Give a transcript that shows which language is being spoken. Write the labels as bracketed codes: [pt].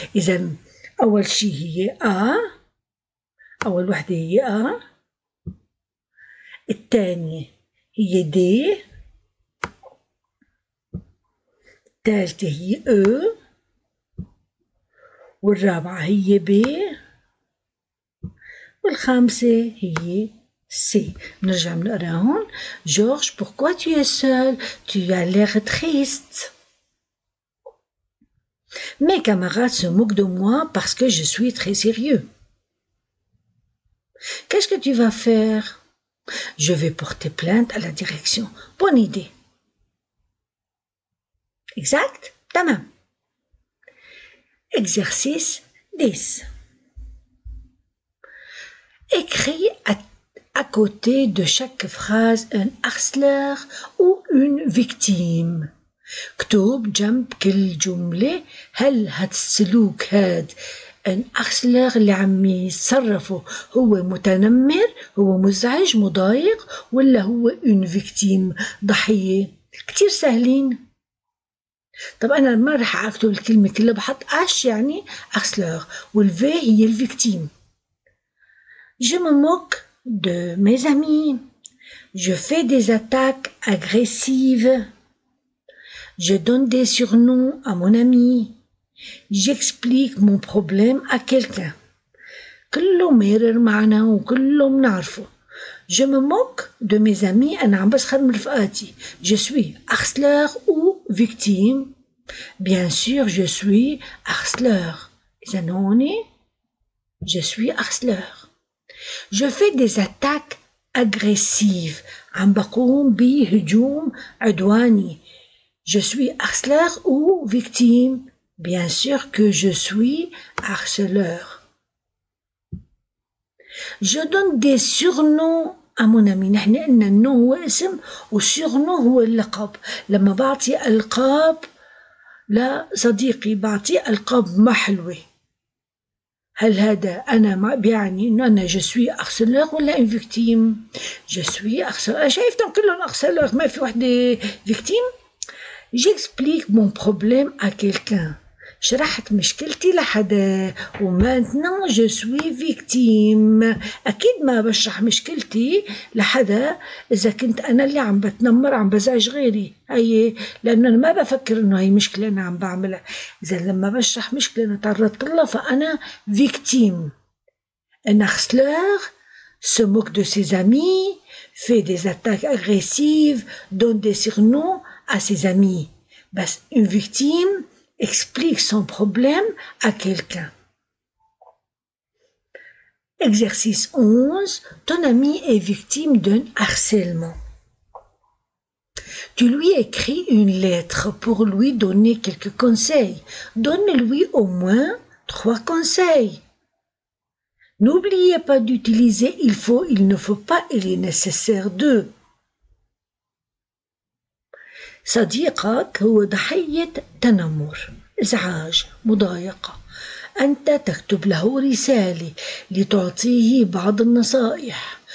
[ar] إذا أول شيء هي أ، أول وحدة هي أ، الثانية هي دي، الثالثة هي أ، والرابعة هي ب، والخامسة هي سي. نرجع نقرأ هون. [fr] جورج pourquoi tu es seul tu as l'air triste mes camarades se moquent de moi parce que je suis très sérieux Qu'est-ce que tu vas faire? Je vais porter plainte à la direction. Bonne idée. Exact? Tamam. Exercice 10. Écris à côté de chaque phrase un harceleur ou une victime. [ar] كتب جنب كل جملة هل هتسلوك هاد الأخسلاغ اللي عم يتصرفه هو متنمر، هو مزعج مضايق، ولا هو إن فيكتيم ضحية؟ كتير سهلين. طب انا ما راح اكتب الكلمه كلها، بحط اش يعني اغسلوغ، والفي هي الفيكتيم. [fr] Je me moque de mes amis. Je fais des attaques agressives. Je donne des surnoms à mon ami. J'explique mon problème à quelqu'un. [ar] كله ميرر معنا وكله منعرفه. [fr] Je me moque de mes amis. [ar] أنا عم بسخر من رفقاتي. [fr] Je suis harceleur ou victime. Bien sûr, je suis harceleur. [ar] إذا هوني [fr] je suis harceleur. Je fais des attaques agressives. [ar] عم بقوم بهجوم عدواني. [fr] Je suis harceleur ou victime. Bien sûr que je suis harceleur. Je donne des surnoms à mon ami. [ar] نحن قلنا النو هو اسم والسيرنو هو اللقب. لما بعطي ألقاب لصديقي بعطي ألقاب محلوة. هل هذا أنا ما بيعني إنه أنا [fr] je suis harceleur [ar] ولا [fr] une victime؟ Je suis harceleur. [ar] شايفتهم كلهم [fr] harceleur، [ar] ما في وحدة [fr] victime؟ J'explique mon problème à quelqu'un. [ar] شرحت مشكلتي لحدا. [fr] Maintenant, je suis victime. [ar] أكيد ما بشرح مشكلتي لحدا إذا كنت أنا اللي عم بتنمر عم بزعج غيري. هي لأنه أنا ما بفكر إنه هي مشكلة أنا عم بعملها. إذا لما بشرح مشكلة أنا تعرضت لها فأنا victime. [fr] Un harceleur se moque de ses amis, fait des attaques agressives, donne des surnoms à ses amis. بس une victime explique son problème à quelqu'un. Exercice 11. Ton ami est victime d'un harcèlement. Tu lui écris une lettre pour lui donner quelques conseils. Donne-lui au moins 3 conseils. N'oubliez pas d'utiliser il faut, il ne faut pas, il est nécessaire de. [ar] صديقك هو ضحية تنمر، إزعاج، مضايقة. أنت تكتب له رسالة لتعطيه بعض النصائح.